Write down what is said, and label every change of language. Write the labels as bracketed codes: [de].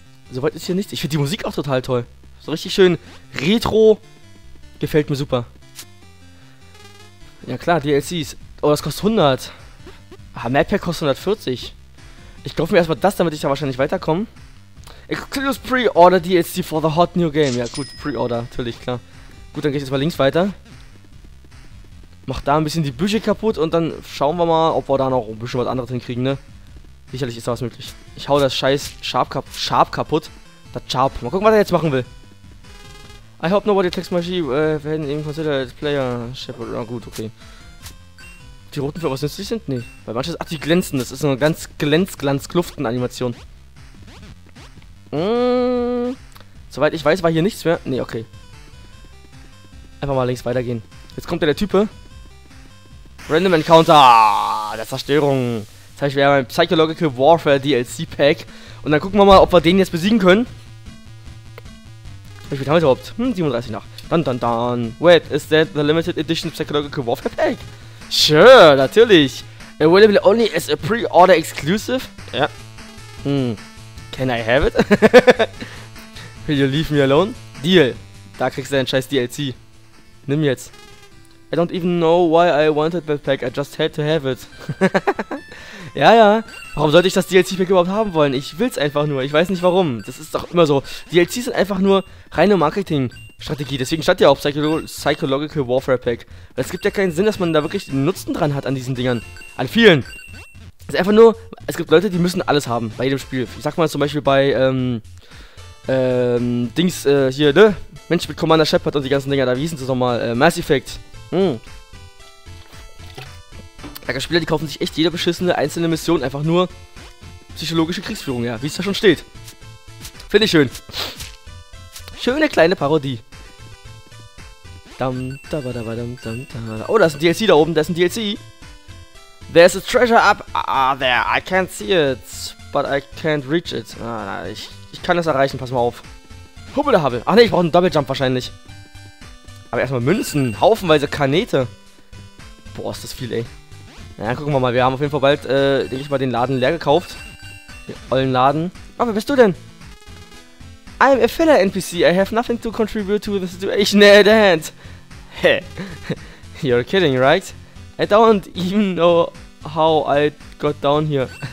[de] Soweit ist hier nichts. Ich finde die Musik auch total toll. So richtig schön. Retro. Gefällt mir super. Ja klar, DLCs. Oh, das kostet 100. Ah, Map-Pack kostet 140. Ich kaufe mir erstmal das, damit ich da wahrscheinlich weiterkomme. [en] Exclusive Pre-Order DLC for the hot new game. [de] Ja gut, Pre-Order, natürlich, klar. Gut, dann gehe ich jetzt mal links weiter. Mach da ein bisschen die Büsche kaputt und dann schauen wir mal, ob wir da noch ein bisschen was anderes hinkriegen, ne? Sicherlich ist da was möglich. Ich hau das scheiß Sharp kaputt. Das Sharp. Mal gucken, was er jetzt machen will. [en] I hope nobody takes my sheep. [de] Wir hätten eben considered player shepherd. Na gut, okay. Die roten für was nützlich sind? Nee. Weil manches. Ach, die glänzen. Das ist so eine ganz Glänz-Glanz-Kluften-Animation. Soweit ich weiß, war hier nichts mehr. Nee, okay. Einfach mal links weitergehen. Jetzt kommt ja der Type. Random Encounter. Der Zerstörung. Jetzt habe ich wieder mein Psychological Warfare DLC Pack. Und dann gucken wir mal, ob wir den jetzt besiegen können. Wie viel haben wir überhaupt? 37 nach. Dann. [en] Wait, is that the limited edition Psychological Warfare Pack? Sure, [de] natürlich. [en] Available only as a pre-order exclusive? [de] Ja. [en] Can I have it? Will you leave me alone? Deal. [de] Da kriegst du deinen scheiß DLC. Nimm jetzt. [en] I don't even know why I wanted that pack. I just had to have it. [de] Ja. Warum sollte ich das DLC-Pack überhaupt haben wollen? Ich will's einfach nur. Ich weiß nicht warum. Das ist doch immer so. DLCs sind einfach nur reine Marketing-Strategie. Deswegen stand ja auch Psychological Warfare Pack. Es gibt ja keinen Sinn, dass man da wirklich Nutzen dran hat an diesen Dingern. An vielen. Es ist einfach nur, es gibt Leute, die müssen alles haben bei jedem Spiel. Ich sag mal zum Beispiel bei, Dings, hier, ne? Mensch mit Commander Shepard und die ganzen Dinger da. Wie hießen sie nochmal? Mass Effect. Da Spieler, die kaufen sich echt jede beschissene einzelne Mission einfach nur psychologische Kriegsführung, ja, wie es da schon steht. Finde ich schön. Schöne kleine Parodie. Oh, da ist ein DLC da oben, da ist ein DLC. [en] There's a treasure up there. I can't see it, but I can't reach it. [de] Ah, ich kann das erreichen, pass mal auf. Hubbelhubbel. Ach ne, ich brauche einen Double Jump wahrscheinlich. Aber erstmal Münzen, haufenweise Kanete. Boah, ist das viel, ey. Na, gucken wir mal, wir haben auf jeden Fall bald, denke ich mal, den Laden leer gekauft. Den ollen Laden. Oh, wer bist du denn? [en] I'm a filler NPC, I have nothing to contribute to the situation at hand. Hey, you're kidding, right? I don't even know how I got down here.